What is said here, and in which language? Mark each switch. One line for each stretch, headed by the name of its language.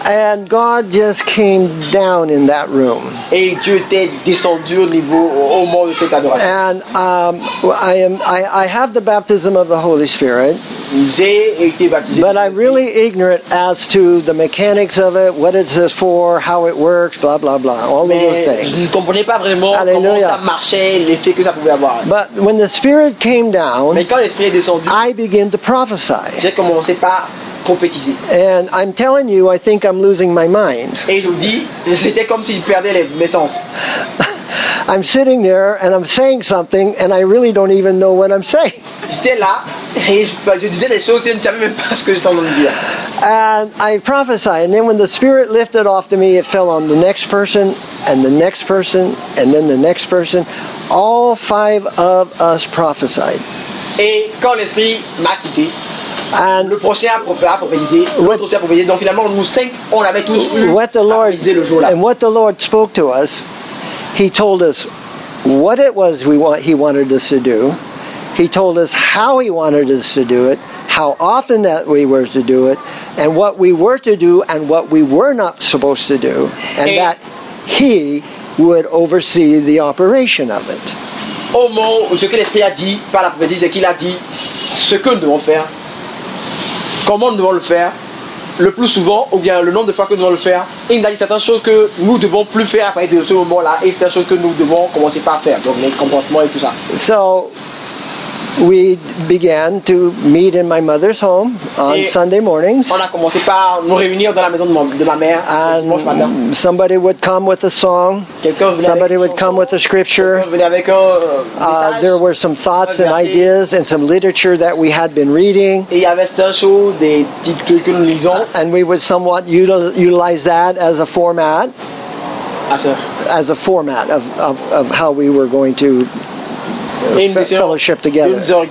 English: And God just came down in that room.
French: Et Dieu était descendu au niveau au moment de cette adoration.
English: And I have the baptism of the Holy Spirit.
French: J'ai été baptisé.
English: But I'm really ignorant as to the mechanics of it, what it's for, how it works, blah blah blah, all
French: mais
English: of those things.
French: Je ne comprenais pas vraiment. Alléluia. Comment ça marchait, l'effet que ça pouvait avoir.
English: But when the Spirit came down,
French: mais quand l'Esprit est descendu,
English: I began to prophesy.
French: J'ai commencé par prophétiser.
English: And I'm telling you, I think I'm losing my mind.
French: Et je vous dis, c'était comme si je perdais mes sens.
English: I'm sitting there and I'm saying something and I really don't even know what I'm saying.
French: J'étais là et je disais des choses et je ne savais même pas ce que j'étais en train de dire.
English: And I prophesied, and then when the Spirit lifted off to me, it fell on the next person and the next person and then the next person. All five of us prophesied.
French: Et quand l'Esprit m'a quitté, and le prochain a prophétisé, donc finalement nous cinq, on avait tous eu
English: what the Lord,
French: à prophétiser le jour-là.
English: And what the Lord spoke to us, he told us what it was he wanted us to do. He told us how he wanted us to do it, how often that we were to do it, and what we were to do and what we were not supposed to do, and that he would oversee the operation of it.
French: Au mot, ce que l'Esprit a dit par la prophétie, c'est qu'il a dit ce que nous devons faire, comment nous devons le faire, le plus souvent, ou bien le nombre de fois que nous devons le faire. Il nous a dit certaines choses que nous ne devons plus faire à partir de ce moment-là, et certaines choses que nous devons commencer par faire, donc les comportements et tout ça.
English: So, we began to meet in my mother's home on
French: et
English: Sunday mornings.
French: On a commencé par nous réunir dans la maison de ma mère.
English: And somebody would come with a song. Somebody would come with a scripture. There were some thoughts and ideas and some literature that we had been reading.
French: Et il y avait certaines choses, des petits trucs que nous lisons.
English: And we would somewhat utilize that as a format. As a format of how we were going to fellowship together.